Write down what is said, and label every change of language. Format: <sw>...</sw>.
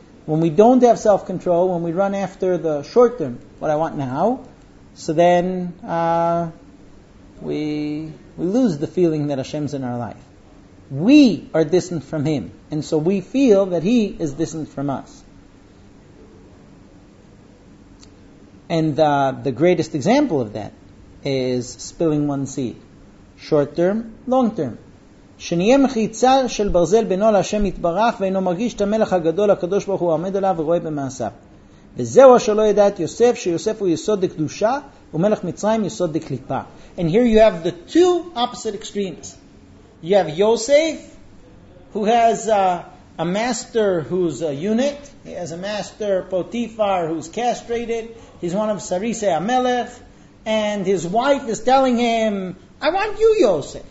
<en>When we don't have self-control, when we run after the short term, what I want now, so then we lose the feeling that Hashem's in our life. We are distant from Him, and so we feel that He is distant from us. And the greatest example of that is spilling one seed. Short term, long term.</en> <he>שנהיה מחיצה של ברזל בינו להשם יתברך ואינו מרגיש את המלך הגדול הקדוש ברוך הוא עומד עליו ורואה במעשיו. וזהו אשר לא ידע את יוסף, שיוסף הוא יסוד דקדושה, ומלך מצרים יסוד דקליפה.</he> <en>And here you have the two opposite extremes. You have Yosef, who has a master who's a eunuch. He has a master, Potiphar, who's castrated. He's one of Sarisei HaMelech. And his wife is telling him, I want you, Yosef.</en>